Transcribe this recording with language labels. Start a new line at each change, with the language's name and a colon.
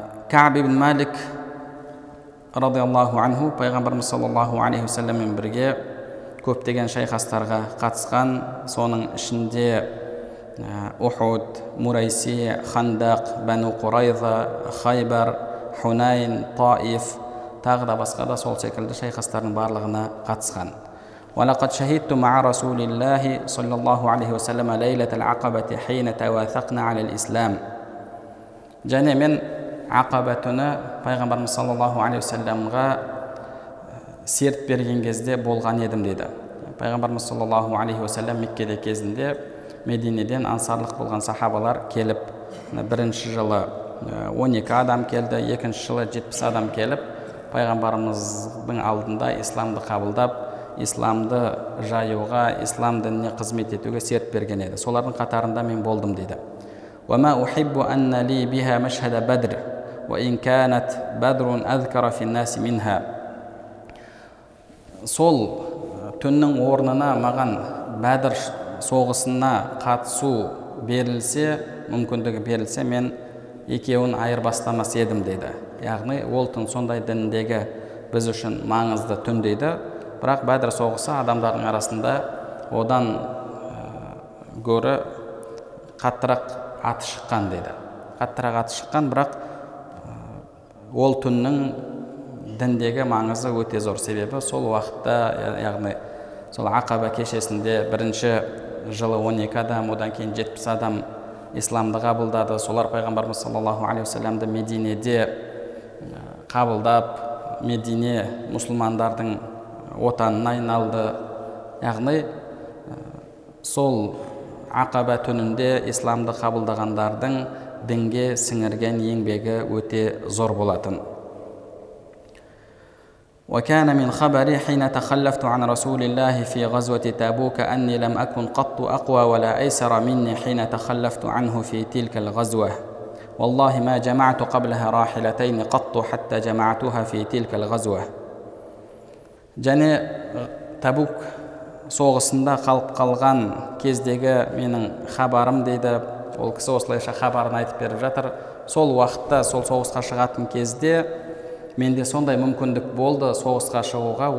Kazakh: Кааб ибн Малик радиаллаху анху пайғамбарымыз саллаллаху алейхи ва саллямен бірге көптеген шайқастарға қатысқан, соның ішінде Ухуд, Мурайси, Хандақ, Бану Құрайза, Хайбар, Хунайн, Таиф тағы да басқа да сол секілді шайқастардың барлығына қатысқан.
Arabic: ولقد شهدت مع رسول الله صلى الله عليه وسلم ليلة العقبة حين تواثقنا على الإسلام.
Kazakh: جاني من عقبتنا پیغمبر صلى الله عليه وسلم غا سيرت برген кезде болған едім деді. پیغمبر صلى الله عليه وسلم Меккеде кезінде Мединеден ансарлық болған сахабалар келіп, бірінші жылы 12 адам келді, екінші жылы 70 адам келіп, пайғамбарымыздың алдында исламды қабылдап исламды жаюға, ислам дініне қызмет етуге серт берген еді. Солардың қатарында мен болдым дейді.
Arabic: وما احب ان لي بها مشهد بدر وان كانت بدر اذكر في الناس منها.
Kazakh: Сол түннің орнына маған Бадр соғысына қатысу берілсе, мүмкіндігі берілсе, мен екеуін айырбастамас едім дейді. Яғни ол түн сондай дініндегі біз үшін маңызды түн дейді. Бірақ Бадр соғысы адамдардың арасында одан гөрі қаттырақ аты шыққан дейді. Қаттырақ аты шыққан, бірақ ол түннің діндегі маңызы өте зор. Себебі сол уақытта, яғни сол Ақаба кешесінде бірінші жылы 12 адам, одан кейін 70 адам исламды қабылдады. Солар пайғамбарымыз саллаллаху алейхи уассаламды Мединеде қабылдап, Медине мұсылмандардың отанына айналды. Яғни сол Ақаба түнінде исламды қабылдағандардың дінге сіңірген еңбегі өте зор болатын.
Arabic: وكان من خبري حين تخلفت عن رسول الله في غزوة تبوك أني لم أكن قط أقوى ولا أيسر مني حين تخلفت عنه في تلك الغزوة. والله ما جمعت قبلها راحلتين قط حتى جمعتها في تلك الغزوة.
Kazakh: Және Табук соғысында қалып қалған кездегі менің хабарым дейді. Ол кісі осылайша хабарын айтып беріп жатыр. Сол уақытта, сол соғысқа шығатын кезде менде сондай мүмкіндік болды соғысқа шығуға.